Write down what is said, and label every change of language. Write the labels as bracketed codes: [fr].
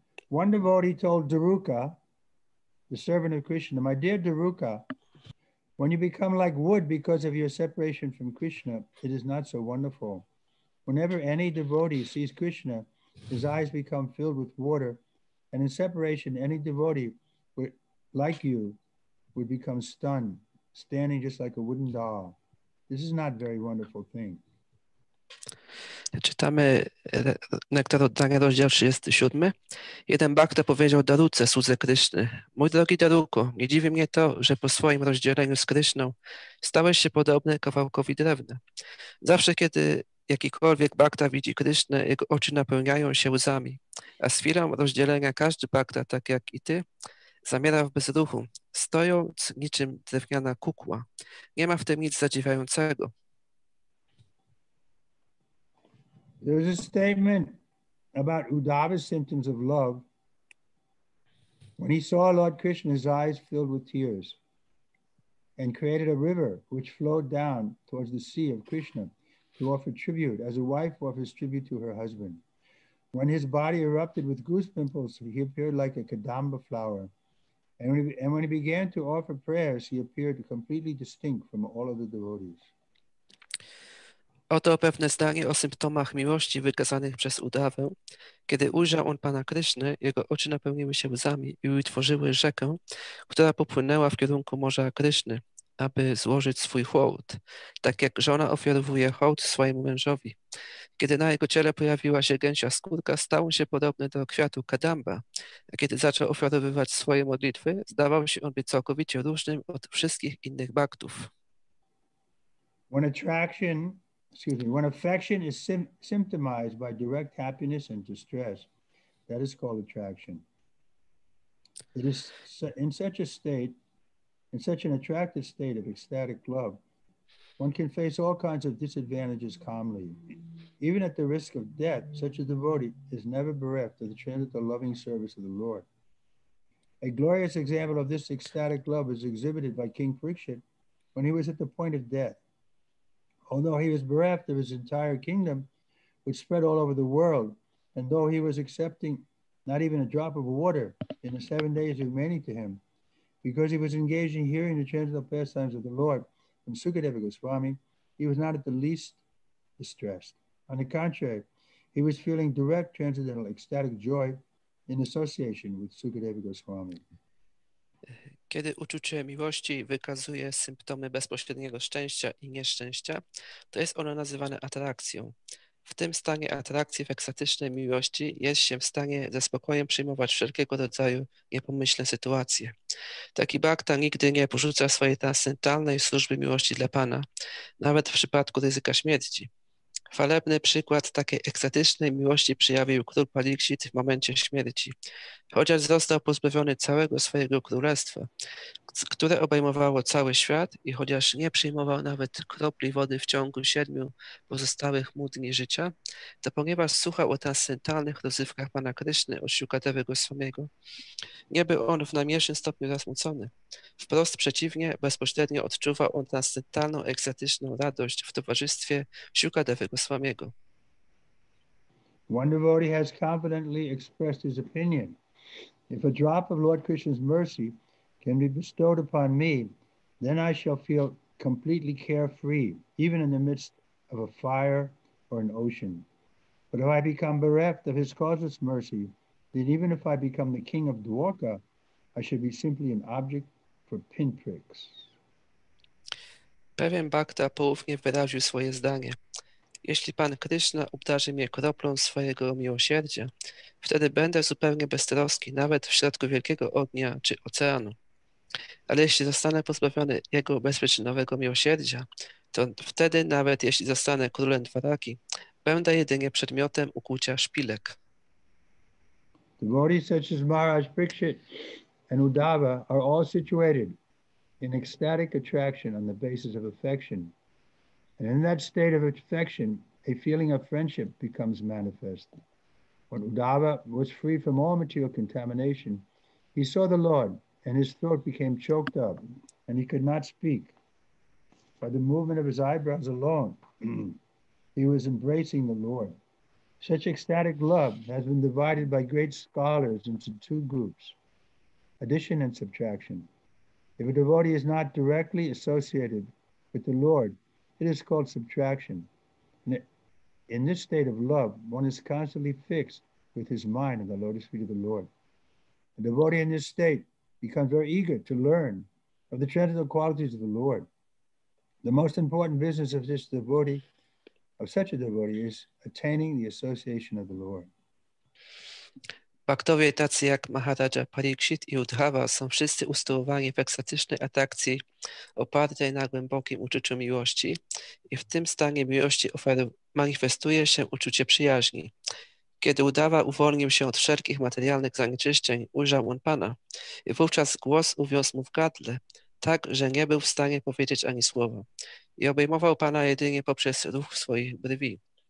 [en] One devotee told Daruka, the servant of Krishna, my dear Daruka, when you become like wood because of your separation from Krishna, it is not so wonderful. Whenever any devotee sees Krishna, his eyes become filled with water, and in separation, any devotee would, like you would become stunned, standing just like a wooden doll. This is not a very wonderful thing. [pl] Czytamy Nektar oddania, rozdział 37. Jeden bhakta powiedział Daruce, słudze Kryszny: mój drogi Daruko, nie dziwi mnie to, że po swoim rozdzieleniu z Kryszną stałeś się podobny kawałkowi drewna. Zawsze, kiedy jakikolwiek bhakta widzi Krysznę, jego oczy napełniają się łzami, a z chwilą rozdzielenia każdy bhakta, tak jak i ty, zamiera w bezruchu, stojąc niczym drewniana kukła. Nie ma w tym nic zadziwiającego. [en] There's a statement about Uddhava's symptoms of love. When he saw Lord Krishna, his eyes filled with tears and created a river which flowed down towards the sea of Krishna to offer tribute as a wife offers tribute to her husband. When his body erupted with goose pimples, he appeared like a kadamba flower. And when he began to offer prayers, he appeared completely distinct from all other devotees. [pl] Oto pewne zdanie o symptomach miłości wykazanych przez Uddhavę. Kiedy ujrzał on Pana Krysznę, jego oczy napełniły się łzami i utworzyły rzekę, która popłynęła w kierunku Morza Kryszny, aby złożyć swój hołd, tak jak żona ofiarowuje hołd swojemu mężowi. Kiedy na jego ciele pojawiła się gęsia skórka, stał on się podobny do kwiatu kadamba, a kiedy zaczął ofiarowywać swoje modlitwy, zdawał się on być całkowicie różnym od wszystkich innych baktów. [en] When affection is symptomized by direct happiness and distress, that is called attraction. It is in such a state, in such an attractive state of ecstatic love, one can face all kinds of disadvantages calmly. Even at the risk of death, such a devotee is never bereft of the transcendental loving service of the Lord. A glorious example of this ecstatic love is exhibited by King Parikshit when he was at the point of death. Although he was bereft of his entire kingdom, which spread all over the world, and though he was accepting not even a drop of water in the 7 days remaining to him, because he was engaged in hearing the transcendental pastimes of the Lord from Sukadeva Goswami, he was not at the least distressed. On the contrary, he was feeling direct transcendental ecstatic joy in association with Sukadeva Goswami. [pl] Kiedy uczucie miłości wykazuje symptomy bezpośredniego szczęścia i nieszczęścia, to jest ono nazywane atrakcją. W tym stanie atrakcji w ekstatycznej miłości jest się w stanie ze spokojem przyjmować wszelkiego rodzaju niepomyślne sytuacje. Taki bhakta nigdy nie porzuca swojej transcendentalnej służby miłości dla Pana, nawet w przypadku ryzyka śmierci. Chwalebny przykład takiej ekstatycznej miłości przejawił król Pariksit w momencie śmierci. Chociaż został pozbawiony całego swojego królestwa, które obejmowało cały świat i chociaż nie przyjmował nawet kropli wody w ciągu 7 pozostałych mu dni życia, to ponieważ słuchał o transcendentalnych rozrywkach Pana Kryszny od Shukadevy Goswamiego, nie był on w najmniejszym stopniu zasmucony. Wprost przeciwnie, bezpośrednio odczuwał on transcendentalną, ekstatyczną radość w towarzystwie Shukadevy Goswamiego. [en] One devotee has confidently expressed his opinion. If a drop of Lord Krishna's mercy can be bestowed upon me, then I shall feel completely carefree, even in the midst of a fire or an ocean. But if I become bereft of his causeless mercy, then even if I become the king of Dwarka, I should be simply an object for pinpricks. [pl] Pewien bhakta poufnie wyraził swoje zdanie. Jeśli Pan Kryszna obdarzy mnie kroplą swojego miłosierdzia, wtedy będę zupełnie beztroski, nawet w środku wielkiego ognia czy oceanu. Ale jeśli zostanę pozbawiony jego bezprzyczynowego miłosierdzia, to wtedy, nawet jeśli zostanę królem Dwaraki, będę jedynie przedmiotem ukłucia szpilek. [en] Devotees such as Maharaj Parikshit and Uddhava are all situated in ecstatic attraction on the basis of affection. And in that state of affection, a feeling of friendship becomes manifest. When Uddhava was free from all material contamination, he saw the Lord and his throat became choked up and he could not speak. By the movement of his eyebrows alone, he was embracing the Lord. Such ecstatic love has been divided by great scholars into two groups, addition and subtraction. If a devotee is not directly associated with the Lord, it is called subtraction. In this state of love, one is constantly fixed with his mind on the lotus feet of the Lord. A devotee in this state becomes very eager to learn of the transcendental qualities of the Lord. The most important business of this devotee of such a devotee is attaining the association of the Lord. [pl] Bhaktowie tacy jak Maharaja Pariksit i Uddhava są wszyscy usytuowani w ekstatycznej atrakcji opartej na głębokim uczuciu miłości i w tym stanie miłości manifestuje się uczucie przyjaźni. Kiedy Uddhava uwolnił się od wszelkich materialnych zanieczyszczeń, ujrzał on Pana i wówczas głos uwiózł mu w gardle, tak, że nie był w stanie powiedzieć ani słowa i obejmował Pana jedynie poprzez ruch swoich brwi.